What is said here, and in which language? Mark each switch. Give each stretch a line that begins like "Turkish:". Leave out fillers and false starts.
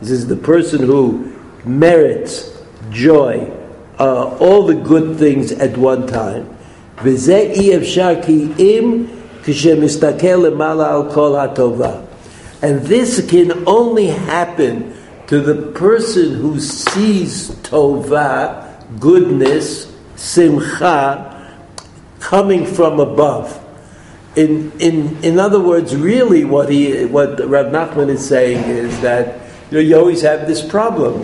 English: This is the person who merits joy, all the good things at one time.
Hebrew: וזה אי אפשר כי אם כשמסתכל למעלה על כל הטובה.
English: And this can only happen to the person who sees tova, goodness, simcha, coming from above. In other words, really what Rav Nachman is saying is that, you know, you always have this problem.